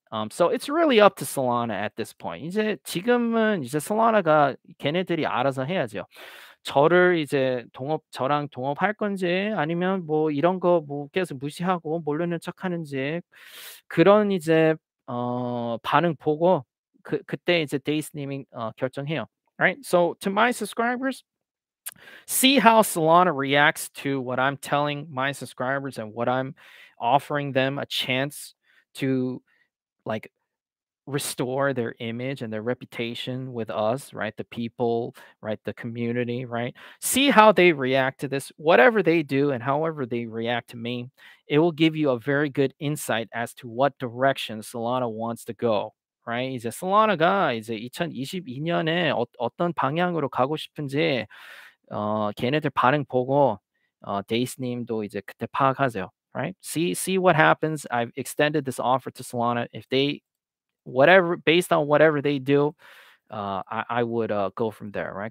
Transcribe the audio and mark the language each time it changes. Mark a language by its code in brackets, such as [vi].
[en] So it's really up to Solana at this point. [ko] 이제 지금은 이제 Solana가 걔네들이 알아서 해야죠. 저를 이제 동업 저랑 동업할 건지 아니면 뭐 이런 거 뭐 계속 무시하고 모르는 척하는지 그런 이제 반응 보고 그때 이제 데이스님이 결정해요. [en] Right? So to my subscribers, see how Solana reacts to what I'm telling my subscribers and what I'm offering them a chance to like restore their image and their reputation with us, right? The people, right? The community, right? See how they react to this. Whatever they do and however they react to me, it will give you a very good insight as to what direction Solana wants to go, right? [ko] 이제 Solana가 이제 2022년에 어떤 방향으로 가고 싶은지 걔네들 반응 보고 데이스님도 이제 그때 파악하세요. [en] Right? See what happens. I've extended this offer to Solana. If they, based on whatever they do, I would go from there, right?